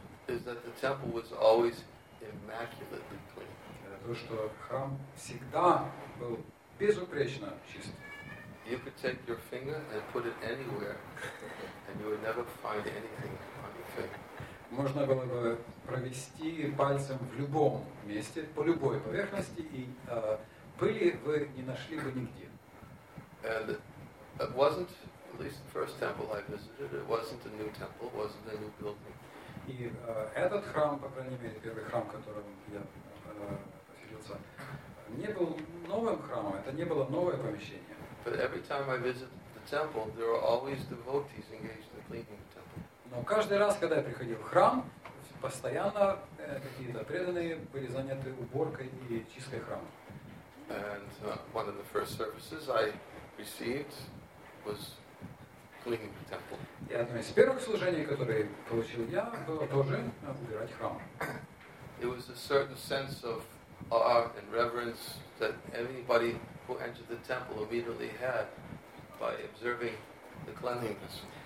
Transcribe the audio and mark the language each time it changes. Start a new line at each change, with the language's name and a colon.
English: Is that the temple was always immaculately clean.
Russian: То, что храм всегда был безупречно чист.
English: You could take your finger and put it anywhere, and you would never find anything on your finger.
Russian: Можно было бы провести пальцем в любом месте, по любой поверхности, и пыли вы не нашли бы нигде.
English: And it wasn't, at least the first temple I visited, it wasn't a new temple, it wasn't a new building.
Russian: И этот храм, по крайней мере, первый храм, которым я поселился, не был новым храмом, это не было новое помещение.
English: But every time I visited the temple, there were always devotees engaged in cleaning the temple.
Russian: Но каждый раз, когда я приходил в храм, постоянно какие-то преданные были заняты уборкой и чисткой храма.
English: And one of the first services I received was cleaning the temple.
Russian: И одно из первых служений, которое получил я, было тоже убирать храм.
English: It was a certain sense of awe and reverence that anybody who entered the temple immediately had by observing the cleanliness.